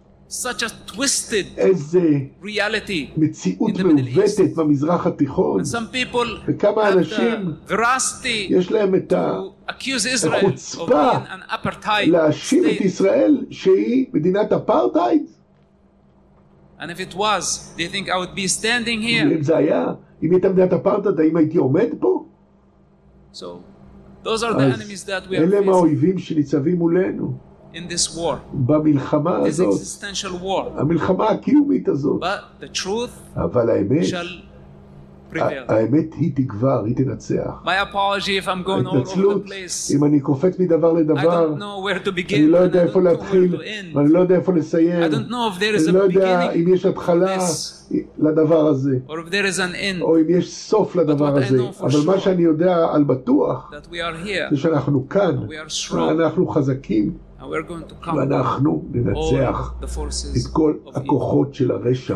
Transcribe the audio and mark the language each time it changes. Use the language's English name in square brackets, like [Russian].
[English] Such a twisted [Hebrew] איזה [English] reality [Hebrew] מציאות מעוותת במזרח התיכון. [English] Some people, [Hebrew] וכמה אנשים יש להם את החוצפה להאשים את ישראל שהיא מדינת אפרטהייד. [English] And if it was, do you think I would be standing here? [Hebrew] אם זה היה, אם הייתה מדינת אפרטהייד, האם הייתי עומד פה? [English] So those are the enemies that we are facing. [Hebrew] אלה האויבים שניצבים מולנו. [English] In this war. [Hebrew] במלחמה הזאת. [English] This existential war. [Hebrew] המלחמה הקיומית הזאת. [English] But the truth. [Hebrew] אבל האמת. האמת היא תגבר, היא תנצח. [English] My apology if I'm going all over the place. [Hebrew] אם אני קופץ מדבר לדבר. [English] I don't know where to begin. [Hebrew] אני לא יודע איפה להתחיל. אני לא יודע איפה לסיים. [English] I don't know if there is a beginning. [Hebrew] אני לא יודע אם יש התחלה לדבר הזה. [English] Or if there is an end. [Hebrew] או אם יש סוף לדבר הזה. אבל מה שאני יודע על בטוח. [English] That we are here. [Hebrew] זה שאנחנו כאן. [English] We are strong. [Hebrew] אנחנו חזקים. [English] And we're going to come. [Hebrew] ואנחנו ננצח. את כל הכוחות של הרשע.